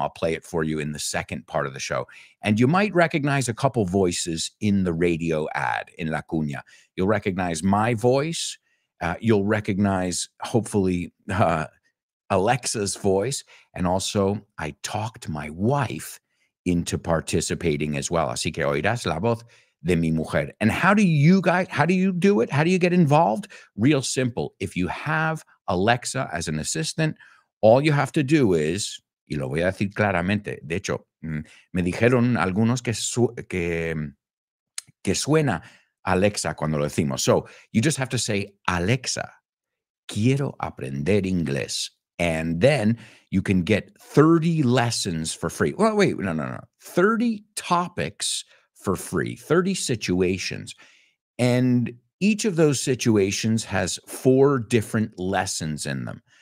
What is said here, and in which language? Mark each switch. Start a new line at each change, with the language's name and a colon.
English: I'll play it for you in the second part of the show. And you might recognize a couple voices in the radio ad in La Cunha. You'll recognize my voice. You'll recognize, hopefully, Alexa's voice. And also, I talked my wife into participating as well.
Spanish: Así que oirás la voz de mi mujer.
English: And how do you guys, how do you do it? How do you get involved? Real simple. If you have Alexa as an assistant, all you have to do is,
Spanish: y lo voy a decir claramente. De hecho, me dijeron algunos que suena Alexa cuando lo decimos.
English: So, you just have to say, Alexa,
Spanish: quiero aprender inglés.
English: And then you can get 30 lessons for free. Well, wait, no, no, no. 30 topics for free, 30 situations. And each of those situations has 4 different lessons in them.